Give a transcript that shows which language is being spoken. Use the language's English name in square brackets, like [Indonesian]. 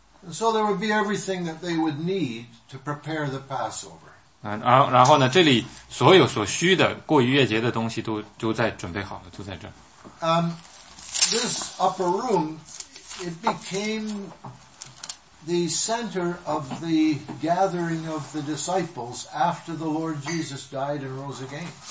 [English] So there would be everything that they would need to prepare the Passover. [Chinese] 然后呢，这里所有所需的过逾越节的东西都在准备好了，都在这。 [English] This upper room, it became the center of the gathering of the disciples after the Lord Jesus died and rose again.